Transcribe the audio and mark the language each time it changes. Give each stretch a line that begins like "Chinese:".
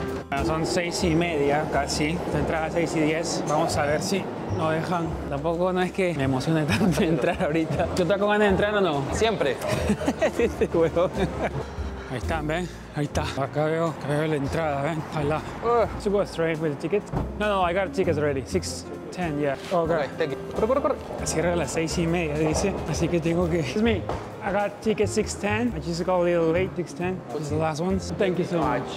Spanish: Bueno, son 6:30 casi, la entrada 6:10, vamos a ver si no dejan. Tampoco no es que me emocione tanto entrar ahorita. ¿Tú estás con ganas de entrar o no? Siempre. Este huevo. Ahí están, ven, ahí está. Acá veo la entrada, ven, ojalá.
English: Super strange with the ticket. No, I got tickets already, 6:10, yeah. Okay, thank you.
Spanish: Corre. Cierra a las 6:30, dice, así que tengo que...
English: Excuse me, I got tickets 6:10, I just got a little late, 6:10. This is the last one, so thank you so much.